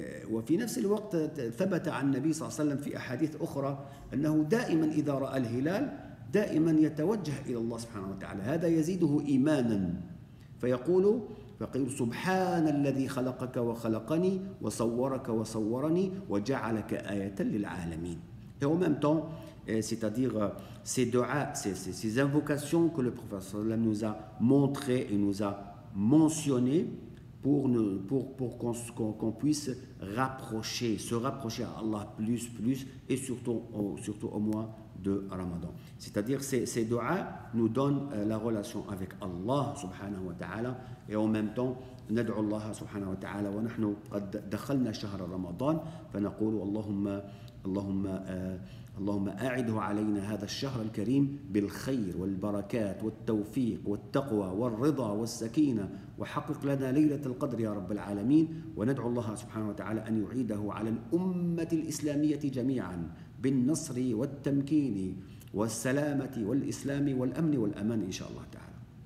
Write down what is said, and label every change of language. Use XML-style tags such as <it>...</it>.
<ar>وفي نفس الوقت ثبت عن النبي صلى الله عليه وسلم في أحاديث أخرى أنه دائما إذا رأى الهلال دائما يتوجه إلى الله سبحانه وتعالى، هذا يزيده إيمانا، فيقول سبحان الذي خلقك وخلقني وصورك وصورني وجعلك آية للعالمين.</ar> <fr>Et en même temps, c'est-à-dire ces duas, ces invocations que le prophète nous a montré et nous a mentionné pour qu'on puisse rapprocher, se rapprocher à Allah plus et surtout au mois de Ramadan. C'est-à-dire que ces duas nous donnent la relation avec Allah subhanahu wa ta'ala et en même temps</fr> <ar>ندعو الله سبحانه وتعالى ونحن قد دخلنا شهر رمضان فنقول اللهم اللهم اللهم أعده علينا هذا الشهر الكريم بالخير والبركات والتوفيق والتقوى والرضا والسكينة وحقق لنا ليلة القدر يا رب العالمين وندعو الله سبحانه وتعالى أن يعيده على الأمة الإسلامية جميعا بالنصر والتمكين والسلامة والإسلام والأمن والأمان إن شاء الله تعالى.</ar>